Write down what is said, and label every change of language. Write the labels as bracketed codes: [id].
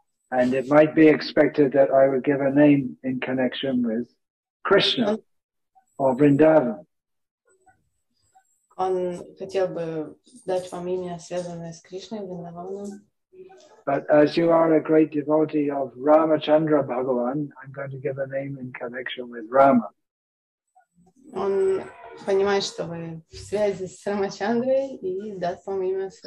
[en] And it might be expected that I would give a name in connection with Krishna or Vrindavan. [ru] Он хотел бы дать фамилию, связанную с Кришной и Вриндаваном. [en] But as you are a great devotee of Ramachandra Bhagavan, I'm going to give a name in connection with Rama. [ru] Он понимает, что вы в связи с Рамачандрой и даст вам имя.